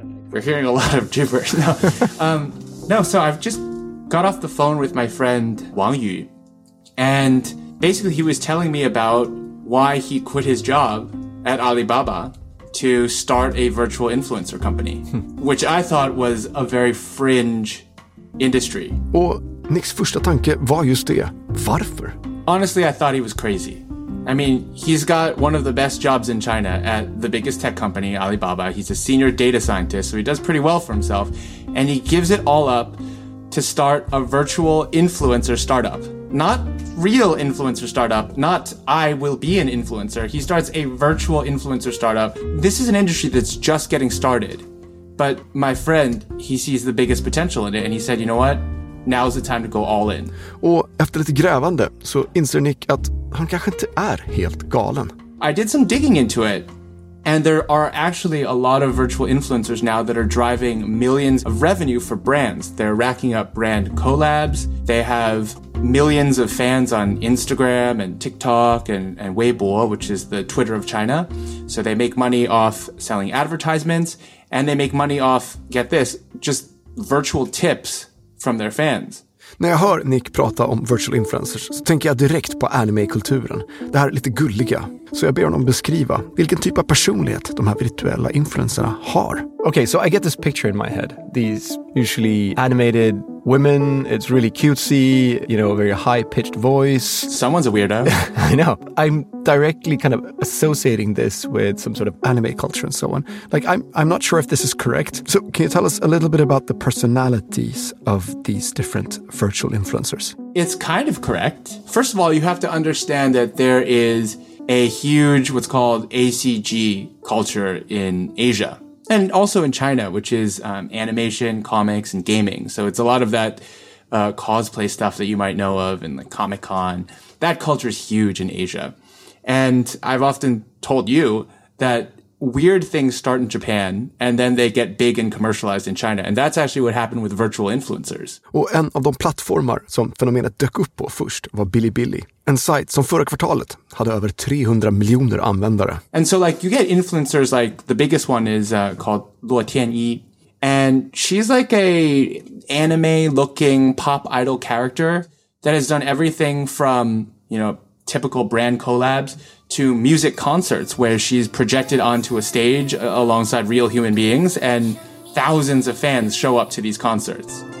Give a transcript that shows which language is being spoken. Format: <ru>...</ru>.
<en>We're hearing a lot of gibberish now. So I've just got off the phone with my friend Wang Yu, and basically he was telling me about why he quit his job at Alibaba to start a virtual influencer company, which I thought was a very fringe industry.</en> <sv>Och Nicks första tanke var just det. Varför?</sv> <en>Honestly, I thought he was crazy. I mean, he's got one of the best jobs in China at the biggest tech company, Alibaba. He's a senior data scientist, so he does pretty well for himself. And he gives it all up to start a virtual influencer startup. Not real influencer startup, not I will be an influencer. He starts a virtual influencer startup. This is an industry that's just getting started. But my friend, he sees the biggest potential in it, and he said, you know what? Now's the time to go all in.</en> <sv>Och efter lite grävande så inser Nick att han kanske inte är helt galen.</sv> <en>I did some digging into it, and there are actually a lot of virtual influencers now that are driving millions of revenue for brands. They're racking up brand collabs. They have millions of fans on Instagram and TikTok and Weibo, which is the Twitter of China. So they make money off selling advertisements. And they make money off, get this, just virtual tips from their fans.</en> <sv>När jag hör Nick prata om virtual influencers så tänker jag direkt på anime-kulturen. Det här är lite gulliga. Så jag ber honom beskriva vilken typ av personlighet de här virtuella influencerna har.</sv> <en>Okay, so I get this picture in my head. These usually animated women, it's really cutesy, you know, very high-pitched voice. Someone's a weirdo. I know. I'm directly kind of associating this with some sort of anime culture and so on. Like, I'm not sure if this is correct. So can you tell us a little bit about the personalities of these different virtual influencers? It's kind of correct. First of all, you have to understand that there is a huge, what's called ACG culture in Asia. And also in China, which is animation, comics, and gaming. So it's a lot of that cosplay stuff that you might know of in like Comic-Con. That culture is huge in Asia. And I've often told you that weird things start in Japan, and then they get big and commercialized in China. And that's actually what happened with virtual influencers.</en> <sv>Och en av de plattformar som fenomenet dök upp på först var Bilibili. En sajt som förra kvartalet hade över 300 miljoner användare.</sv> <en>And so like you get influencers, like the biggest one is called Luo Tianyi. And she's like a anime-looking pop idol character that has done everything from, you know, typical brand collabs to music concerts where she's projected onto a stage alongside real human beings and thousands of fans show up to these concerts.</en>